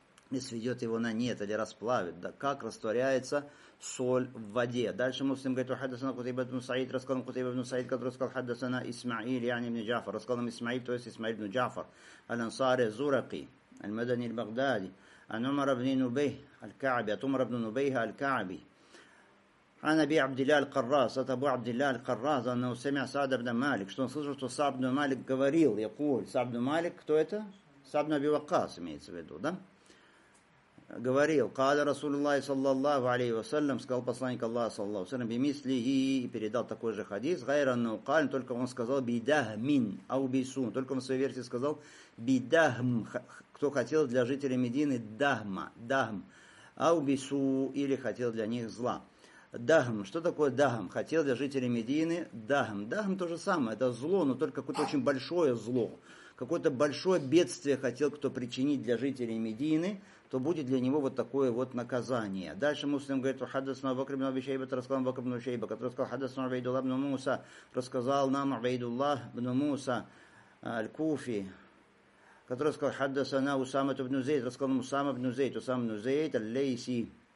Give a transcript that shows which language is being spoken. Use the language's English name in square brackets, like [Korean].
[Russian] и сведет его на нет, или расплавит. Да, как растворяется соль в воде. Дальше муслим говорит, хаддасана Кутайба ибн Саид, рассказал Кутайба ибн Саид, который сказал, хаддасана Исмаиль, яни ибн Джафар. Рассказал нам Исмаиль, то есть Исмаиль ибн Джафар. Аль-Ансари Зураки, Аль-Мадани Аль-Багдади, Аль-Умара ибн Нубейх Аль-Кааби, Атумара ибн Нубейха Аль-Кааби. [Arabic] عن أبي عبد الله القراص أبو عبد الله القراص أنه سمع سعد بن مالك [Russian] что он слышал что [Arabic] سعد بن مالك [Russian] говорил [Arabic] يقول سعد بن مالك [Russian] кто это [Arabic] سعد بن أبي وقاص [Russian] имеется в виду да говорил [Arabic] قال رسول الله صلى الله عليه وسلم [Russian] сказал посланник Аллаха [Arabic] صلى الله عليه وسلم بمثله [Russian] и передал такой же хадис [Arabic] غير أنه قال [Russian] только он сказал [Arabic] بدهمين أو بسون [Russian] только он в своей версии сказал [Arabic] بدهم [Russian] кто хотел для жителей Медины дахма дахм [Arabic] أو بسو [Russian] или хотел для них зла. Дахм. Что такое дахм? Хотел для жителей Медины дахм. Дахм то же самое. Это зло, но только какое-то очень большое зло. Какое-то большое бедствие хотел кто причинить для жителей Медины, то будет для него вот такое вот наказание. Дальше муслим говорит, что хаддасан Абубакр ибн Аби Шайба, рассказал Абубакр ибн Аби Шайба, который сказал, хаддасан Убайдулла ибн Муса, рассказал нам Убайдуллах ибн Муса аль-Куфи, который сказал, хаддасан Усама ибн Зейд, рассказал Усама ибн Зейд, Усама ибн Зейд аль-Лейси.